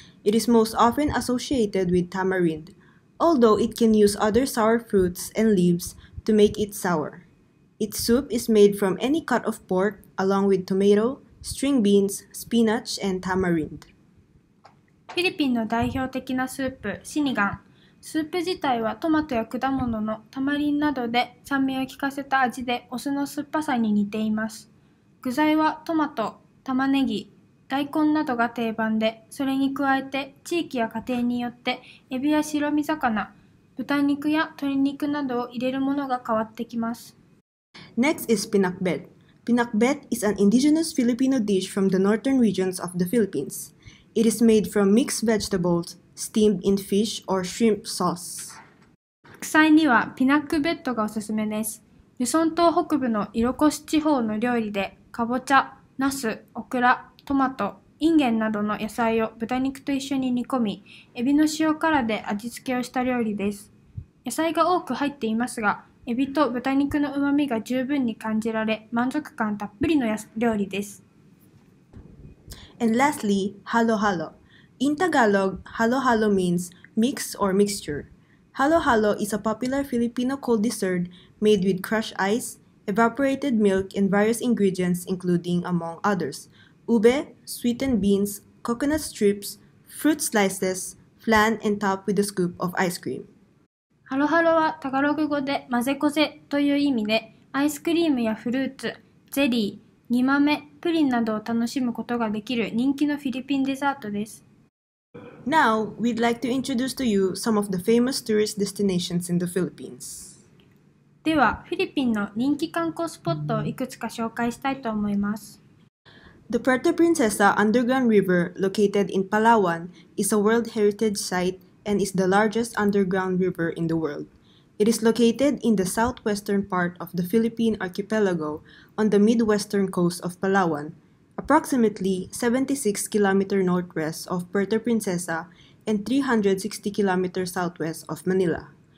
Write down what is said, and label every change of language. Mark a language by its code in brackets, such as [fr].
[en] It is most often associated with tamarind, although it can use other sour fruits and leaves to make it sour. Its soup is made from any cut of pork along with tomato, string beans, spinach, and tamarind. [ja] フィリピンの代表的なスープ、シニガン。スープ自体はトマトや果物のタマリンなどで酸味を効かせた味でお酢の酸っぱさに似ています。具材はトマト、玉ねぎ、大根などが定番で、それに加えて地域や家庭によってエビや白身魚、豚肉や鶏肉などを入れるものが変わってきます。 [en] Next is pinakbet. Pinakbet is an indigenous Filipino dish from the northern regions of the Philippines. It is made from mixed vegetables steamed in fish or shrimp sauce. [ja] 副菜にはピナックベットがおすすめです。ルソン島北部のイロコシ地方の料理で、かぼちゃ、ナス、オクラ、トマト、インゲンなどの野菜を豚肉と一緒に煮込み、エビの塩辛で味付けをした料理です。野菜が多く入っていますが、エビと豚肉の旨味が十分に感じられ、満足感たっぷりの料理です。 [en] And lastly, halo halo. In Tagalog, halo halo means mix or mixture. Halo halo is a popular Filipino cold dessert made with crushed ice,evaporated milk and various ingredients including, among others, ube, sweetened beans, coconut strips, fruit slices, flan and topped with a scoop of ice cream. [ja] ハロハロはタガログ語で混ぜこぜという意味で、アイスクリームやフルーツ、ゼリー、煮豆、プリンなどを楽しむことができる人気のフィリピンデザートです。 [en] Now, we'd like to introduce to you some of the famous tourist destinations in the Philippines. [ja] では、フィリピンの人気観光スポットをいくつか紹介したいと思います。 [en] The Puerto Princesa Underground River, located in Palawan, is a World Heritage Site and is the largest underground river in the world. It is located in the southwestern part of the Philippine archipelago on the midwestern coast of Palawan, approximately 76 km northwest of Puerto Princesa and 360 km southwest of Manila.